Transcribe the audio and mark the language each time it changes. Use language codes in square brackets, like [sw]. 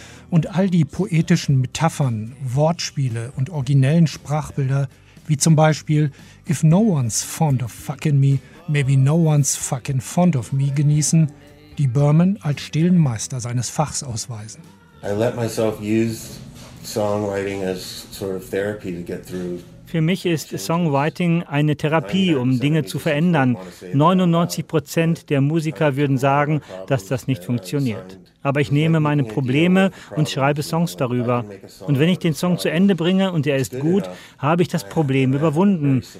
[de] Und all die poetischen Metaphern, Wortspiele und originellen Sprachbilder, wie zum Beispiel » [en] If no one's fond of fucking me, Maybe No One's Fucking Fond of Me [de] genießen, die Berman als stillen Meister seines Fachs ausweisen. [en] I let myself use songwriting as sort of therapy to get through. [de] Für mich ist Songwriting eine Therapie, um Dinge zu verändern. 99% der Musiker würden sagen, dass das nicht funktioniert. Aber ich nehme meine Probleme und schreibe Songs darüber. Und wenn ich den Song zu Ende bringe und er ist gut, habe ich das Problem überwunden.